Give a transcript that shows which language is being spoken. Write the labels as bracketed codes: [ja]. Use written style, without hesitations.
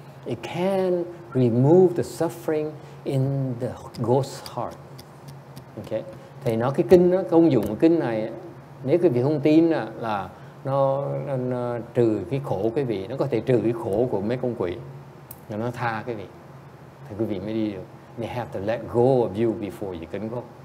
[en] It can remove the suffering in the ghost's heart. Okay. [vi] Thì nó cái kinh đó, công dụng của kinh này, nếu quý vị không tin là nó trừ cái khổ quý vị, nó có thể trừ cái khổ của mấy con quỷ, nó tha quý vị, thì quý vị mới đi được. [en] You have to let go of you before you can go.